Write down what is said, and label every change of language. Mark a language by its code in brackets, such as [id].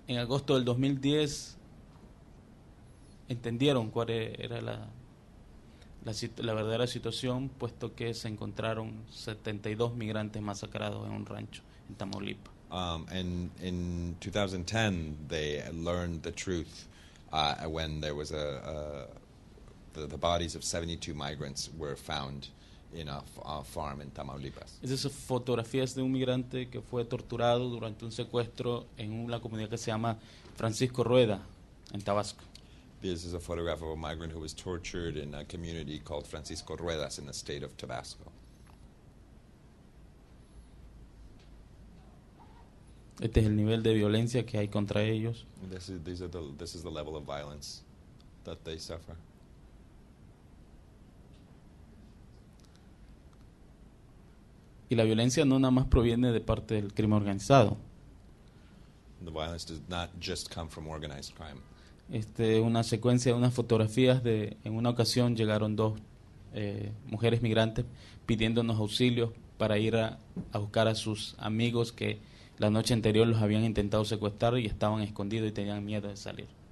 [es] En agosto del 2010 entendieron cuál era la verdadera situación, puesto que se encontraron 72 migrantes masacrados en un rancho en Tamaulipas. [en] And in 2010 they learned the truth when there was the bodies of 72 migrants were found in a farm in Tamaulipas. [es] Esas fotografías de un migrante que fue torturado durante un secuestro en una comunidad que se llama Francisco Rueda en Tabasco. [en] This is a photograph of a migrant who was tortured in a community called Francisco Ruedas in the state of Tabasco. [es] Este es el nivel de violencia que hay contra ellos. [en] This is the level of violence that they suffer. [es] Y la violencia no nada más proviene de parte del crimen organizado. [en] The violence does not just come from organized crime. [es] Este es una secuencia de unas fotografías de, en una ocasión llegaron dos mujeres migrantes pidiéndonos auxilios para ir a buscar a sus amigos que la noche anterior los habían intentado secuestrar y estaban escondidos y tenían miedo de salir.